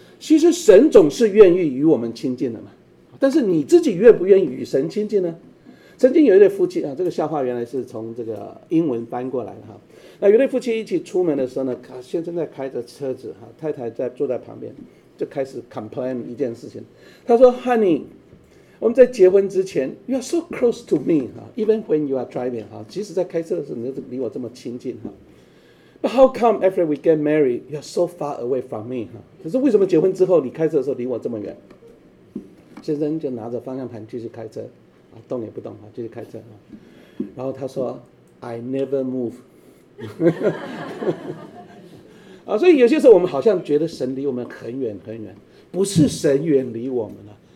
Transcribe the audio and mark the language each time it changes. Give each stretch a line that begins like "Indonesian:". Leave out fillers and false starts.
Chinese: 其实神总是愿意与我们亲近的嘛，但是你自己愿不愿意与神亲近呢？曾经有一对夫妻啊，这个笑话原来是从这个英文搬过来的哈。那有一对夫妻一起出门的时候呢，先生在开着车子哈，太太在坐在旁边，就开始 complain 一件事情。他说 ：“Honey。” 我们在结婚之前
English: ，You are so close to me, even when you are driving,
Chinese: 即使在开车的时候，你离我这么亲近
English: ，But how come after we get married, you are so far away from me,
Chinese: 可是为什么结婚之后你开车的时候离我这么远？先生就拿着方向盘继续开车，啊，动也不动，继续开车，然后他说 ，
English: I never move.
Chinese: 所以有些时候我们好像觉得神离我们很远很远，不是神远离我们了。